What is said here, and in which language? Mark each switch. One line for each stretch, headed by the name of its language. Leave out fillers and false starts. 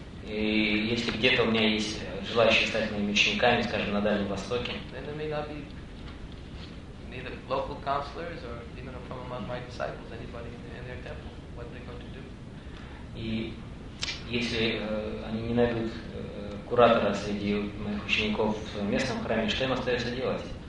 Russian: И если где-то у меня есть желающие стать моими учениками, скажем, на Дальнем Востоке,
English: then there may not be neither local counselors or even from among my disciples anybody in their temple. What are they going to do?
Russian: И если они не найдут куратора среди моих учеников в местном храме, что им остается делать?